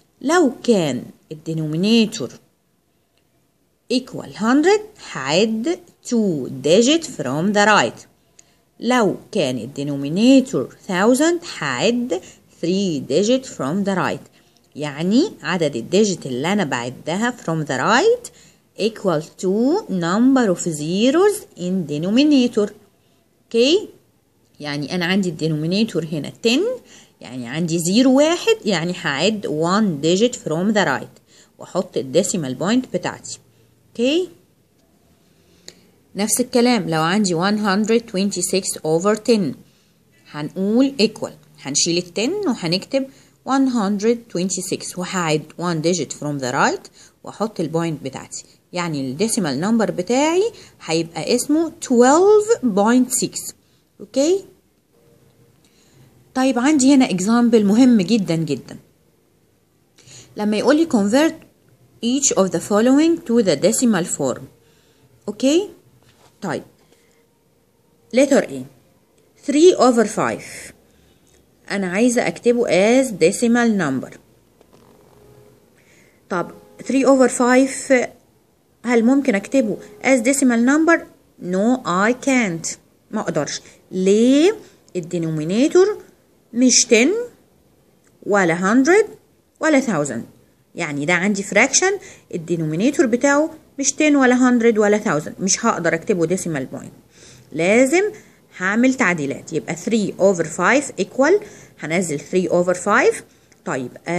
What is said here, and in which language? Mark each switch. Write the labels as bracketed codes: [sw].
[ar] لو كان الدينومينيتور equal 100 هعد [en] 2 digit from the right. [ar] لو كان الدينومينيتور 1000 هعد [en] 3 digit from the right. [ar] يعني عدد الديجيت اللي انا بعدها [en] from the right equal to number of zeros in denominator. Okay. [ar] يعني انا عندي الدينومينيتور هنا 10 يعني عندي 0 واحد يعني هعد [en] 1 digit from the right [ar] واحط الديسيمال بوينت بتاعتي. [en] Okay. [ar] نفس الكلام لو عندي 126 over 10 هنقول equal هنشيل 10 وهنكتب 126 وهعد [en] 1 digit from the right [ar] واحط البوينت بتاعتي يعني الديسيمال نمبر بتاعي هيبقى اسمه 12.6. اوكي طيب عندي هنا اكزامبل مهم جدا جدا لما يقولي [en] convert each of the following to the decimal form. [ar] اوكي طيب letter A 3 over 5 انا عايزة اكتبه [en] as decimal number. [ar] طب 3 over 5 هل ممكن اكتبه [en] as decimal number؟ no I can't [ar] ما اقدرش. ليه؟ الدينومينيتور مش 10 ولا 100 ولا 1000 يعني ده عندي fraction الدينومينيتور بتاعه مش 10 ولا 100 ولا 1000 مش هقدر اكتبه decimal point لازم هعمل تعديلات يبقى 3 over 5 equal هنزل 3 over 5 طيب